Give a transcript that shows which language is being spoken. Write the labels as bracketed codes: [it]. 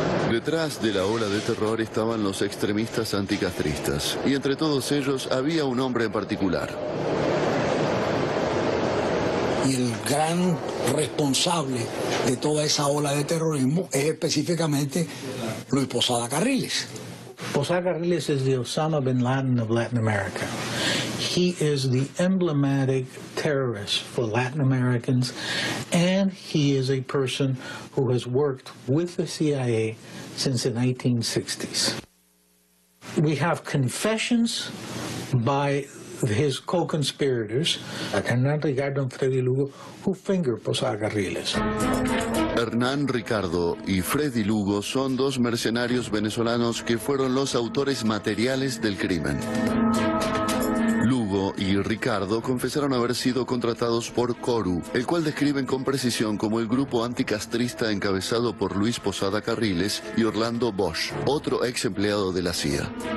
[es] Detrás de la ola de terror estaban los extremistas anticastristas, y entre todos ellos había un hombre en particular. Y el gran responsable de toda esa ola de terrorismo es específicamente Luis Posada Carriles. [en] Posada Carriles is the Osama bin Laden of Latin America. He is the emblematic terrorist for Latin Americans, and he is a person who has worked with the CIA since the 1960s. We have confessions by his co-conspirators, Hernán Ricardo and Freddy Lugo, who finger Posada Carriles. [es] Hernán Ricardo y Freddy Lugo son dos mercenarios venezolanos que fueron los autores materiales del crimen. Lugo y Ricardo confesaron haber sido contratados por Coru, el cual describen con precisión como el grupo anticastrista encabezado por Luis Posada Carriles y Orlando Bosch, otro ex empleado de la CIA.